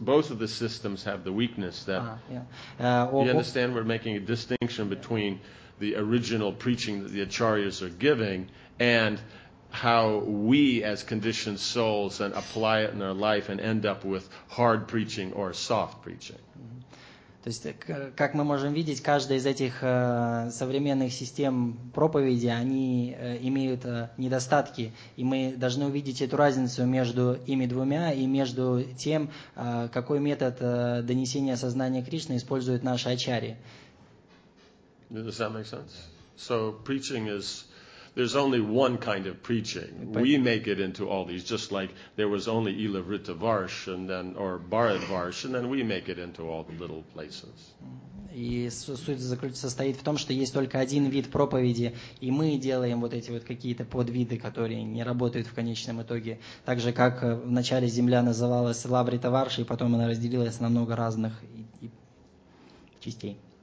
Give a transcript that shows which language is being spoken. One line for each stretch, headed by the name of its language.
English: of the systems have the weakness that you understand we're making a distinction between the original preaching that the acharyas are giving and how we as conditioned souls and apply it in our life and end up with hard preaching or soft preaching.
Russian: То есть, как мы можем видеть, каждая из этих современных систем проповеди, они имеют недостатки. И мы должны увидеть эту разницу между ими двумя и между тем, какой метод донесения сознания Кришны используют наши ачарьи.
English: Does that make sense? So, preaching is... There's only one kind of preaching. We make it into all these, just like there was only Ilavrita Varsh and then or Bharat Varsh, and then we make it into all the little places.
Russian: И суть состоит в том, что есть только один вид проповеди, и мы делаем вот эти вот какие-то подвиды, которые не работают в конечном итоге. Так же, как вначале земля называлась Лаврита Варш, и потом она разделилась на много разных частей.